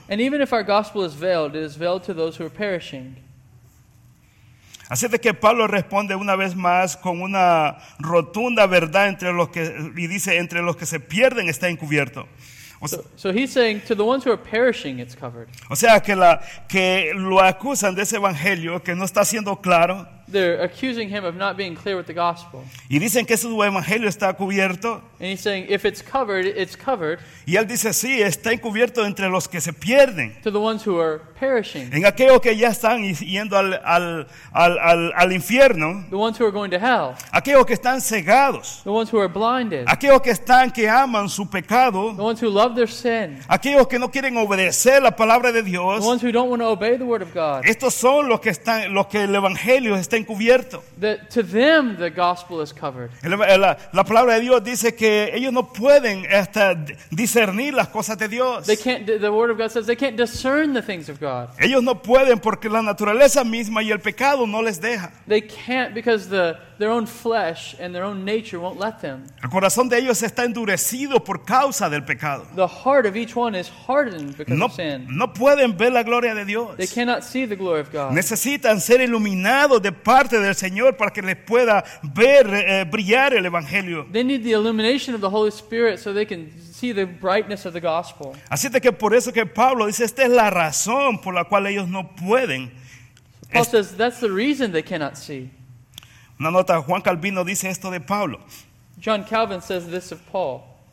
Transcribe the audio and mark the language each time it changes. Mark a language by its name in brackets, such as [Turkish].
[English] And even if our gospel is veiled, it is veiled to those who are perishing. [Spanish] Así de que Pablo responde una vez más con una rotunda verdad entre los que, y dice, entre los que se pierden está encubierto. [English] So he's saying to the ones who are perishing, it's covered. [Spanish] O sea, que lo acusan de ese evangelio que no está siendo claro. [English] They're accusing him of not being clear with the gospel. [Spanish] Y dicen que su evangelio está cubierto. [English] And he's saying, if it's covered, it's covered. [Spanish] Y él dice, sí, está encubierto entre los que se pierden. [English] To the ones who are perishing. [Spanish] En aquellos que ya están yendo al infierno. [English] The ones who are going to hell. [Spanish] Aquellos que están cegados. [English] The ones who are blinded. [Spanish] Aquellos que están, que aman su pecado. [English] The ones who love their sin. [Spanish] Aquellos que no quieren obedecer la palabra de Dios. [English] The ones who don't want to obey the word of God. [Spanish] Estos son los que están, los que el evangelio está encubierto. [English] To them the gospel is covered. [Spanish] La palabra de Dios dice que ellos no pueden hasta discernir las cosas de Dios. [English] They can't, the word of God says they can't discern the things of God. [Spanish] Ellos no pueden porque la naturaleza misma y el pecado no les deja. [English] They can't because their own flesh and their own nature won't let them. [Spanish] El corazón de ellos está endurecido por causa del pecado. [English] The heart of each one is hardened because of sin. [Spanish] No pueden ver la gloria de Dios. [English] They cannot see the glory of God. [Spanish] Necesitan ser iluminados de parte del Señor para que les pueda ver brillar el evangelio. [English] They need the illumination of the Holy Spirit so they can see the brightness of the gospel. [Spanish] Así de que por eso que Pablo dice, esta es la razón por la cual ellos no pueden. [English] Paul says that's the reason they cannot see. [Spanish] Una nota, Juan Calvino dice esto de Pablo. [English] John Calvin says this of Paul.